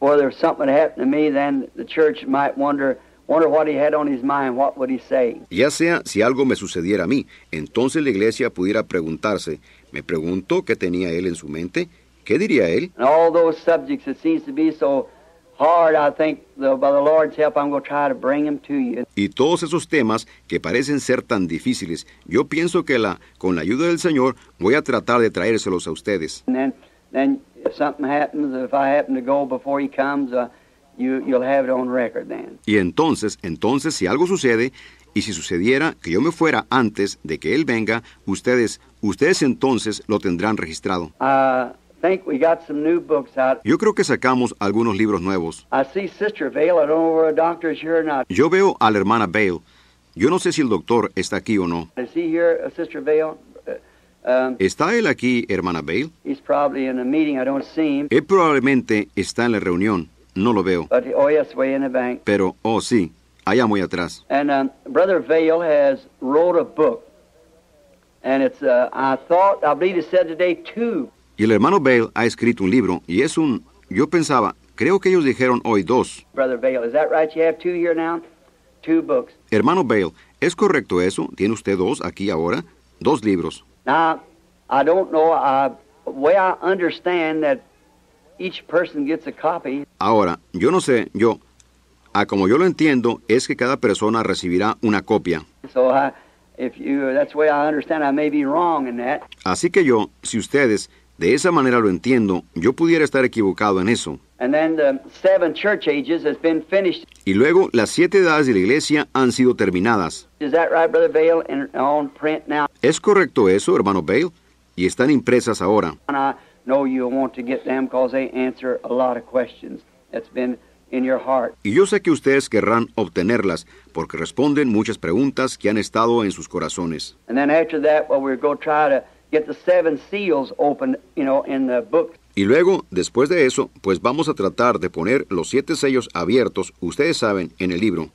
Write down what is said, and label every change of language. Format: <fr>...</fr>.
<en>Or if something happened to me, then the church might wonder what he had on his mind, what would he say?</en> <es>Ya sea si algo me sucediera a mí, entonces la iglesia pudiera preguntarse, me pregunto qué tenía él en su mente, ¿qué diría él?</es> <en>And all those subjects that seems to be so hard, I think, by the Lord's help, I'm going to try to bring them to you.</en> <es>Y todos esos temas que parecen ser tan difíciles, yo pienso que con la ayuda del Señor, voy a tratar de traérselos a ustedes.</es> <en>And then if something happens, if I happen to go before he comes, you'll have it on record then.</en> <es>Y entonces, si algo sucede, y si sucediera que yo me fuera antes de que él venga, ustedes entonces lo tendrán registrado.</es> <en>I think we got some new books out.</en> <es>Yo creo que sacamos algunos libros nuevos.</es> <en>I see Sister Vale. I don't know where a doctor is here or not.</en> <es>Yo veo a la hermana Vale. Yo no sé si el doctor está aquí o no.</es> <en>Is he here, Sister Vale?</en> <es>¿Está él aquí, hermana Vale?</es> <en>He's probably in a meeting. I don't see him.</en> <es>Él probablemente está en la reunión. No lo veo.</es> <en>But, oh, yes, way in the bank.</en> <es>Pero, oh, sí, allá muy atrás.</es> <en>And Brother Vale has wrote a book. And it's, I believe he said today, two.</en> <es>Y el hermano Vale ha escrito un libro, y es un, yo pensaba, creo que ellos dijeron hoy dos.</es> <en>Brother Vale, is that right? You have two here now? Two books.</en> <es>Hermano Vale, ¿es correcto eso? ¿Tiene usted dos aquí ahora? Dos libros.</es> <en>Now, I don't know, way I understand that each person gets a copy.</en> <es>Ahora, yo no sé, como yo lo entiendo, es que cada persona recibirá una copia.</es> <en>So, that's the way I understand, I may be wrong in that.</en> <es>Así que yo, si ustedes, de esa manera lo entiendo, yo pudiera estar equivocado en eso.</es> <en>And then the seven church ages has been finished.</en> <es>Y luego las siete edades de la iglesia han sido terminadas.</es> <en>Is that right, Brother Vale, and on print now?</en> <es>¿Es correcto eso, hermano Vale? Y están impresas ahora.</es> <en>And I know you want to get them because they answer a lot of questions that's been in your heart.</en> <es>Y yo sé que ustedes querrán obtenerlas porque responden muchas preguntas que han estado en sus corazones.</es> <en>And then after that, well, we're going to try to get the seven seals open, you know, in the book.</en> <es>Y luego, después de eso, pues vamos a tratar de poner los siete sellos abiertos, ustedes saben, en el libro.</es>